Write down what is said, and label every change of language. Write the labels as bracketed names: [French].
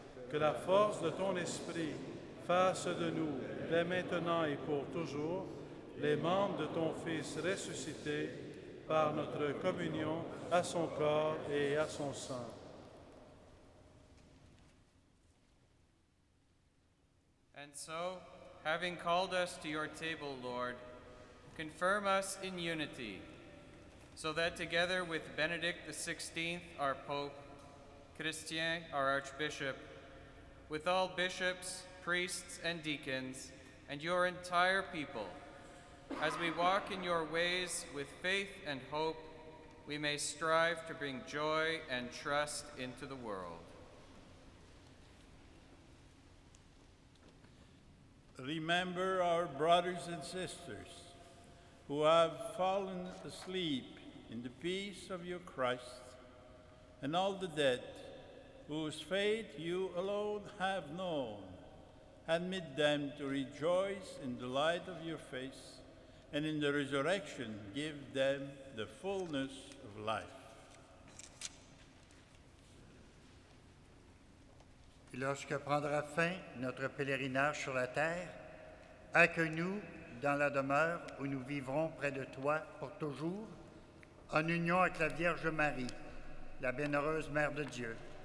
[French] Que la force de ton Esprit fasse de nous, dès maintenant et pour toujours, les membres de ton Fils ressuscité par notre communion à son corps et à son sang. [English] And so, having called us to your table, Lord, confirm us in unity, so that together with Benedict the 16th, our Pope, Christian, our Archbishop, with all bishops, priests, and deacons, and your entire people, as we walk in your ways with faith and hope, we may strive to bring joy and trust into the world. Remember our brothers and sisters who have fallen asleep in the peace of your Christ, and all the dead whose fate you alone have known. Admit them to rejoice in the light of your face, and in the resurrection give them the fullness of life. [French] Lorsque prendra fin notre pèlerinage sur la terre, accueille-nous dans la demeure où nous vivrons près de toi pour toujours, en union avec la Vierge Marie, la bienheureuse Mère de Dieu.